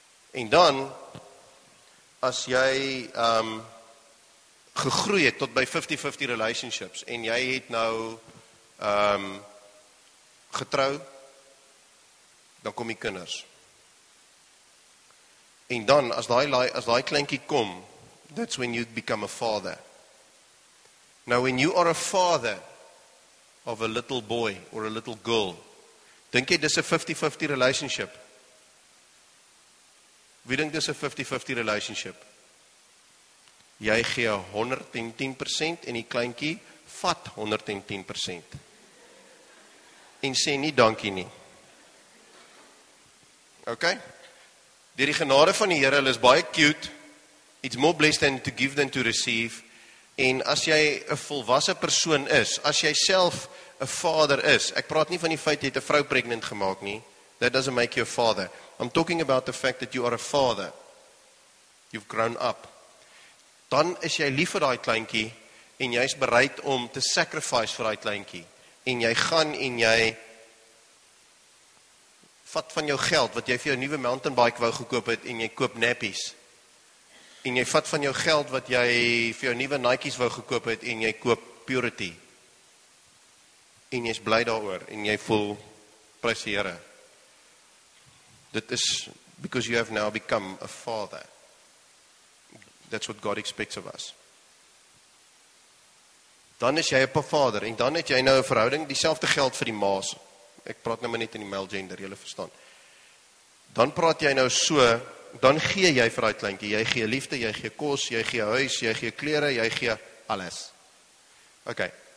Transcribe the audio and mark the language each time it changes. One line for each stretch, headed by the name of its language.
Afrikaans: En dan, as jy gegroei het tot by 50-50 relationships, en jy het nou getrou, dan kom die kinders. En dan, as die kleinkie kom,
English: that's when you become a father. Now, when you are a father of a little boy or a little girl,
Afrikaans: dink jy dis 'n 50-50
English: relationship?
Afrikaans: Wie dink dis 'n 50-50 relationship? Jy gee 110% en die kleinkie vat 110%. En sê nie dankie nie. Okay? Deur die genade van die Here, hulle is baie cute.
English: It's more blessed than to give than to receive.
Afrikaans: En as jy 'n volwasse persoon is, as jy self 'n vader is, ek praat nie van die feit jy het 'n vrou pregnant gemaak nie.
English: That doesn't make you a father. I'm talking about the fact that you are a father. You've grown up.
Afrikaans: Dan is jy lief vir daai kleintjie en jy's bereid om te sacrifice vir daai kleintjie. En jy gaan en jy vat van jou geld wat jy vir jou nuwe mountain bike wou gekoop het en jy koop nappies. En jy vat van jou geld wat jy vir jou nuwe Nike's wou gekoop het en jy koop Purity. En jy's bly daaroor en jy voel prys die Here. Dit is
English: because you have now become a father. That's what God expects of us.
Afrikaans: Dan is jy 'n pa vader en dan het jy nou 'n verhouding, dieselfde geld vir die ma's. Ek praat nou maar net in die male gender, jy lê verstaan. Dan praat jy nou so, dan gee jy vir daai kleintjie, jy gee liefde, jy gee kos, jy gee huis, jy gee klere, jy gee alles. Okay.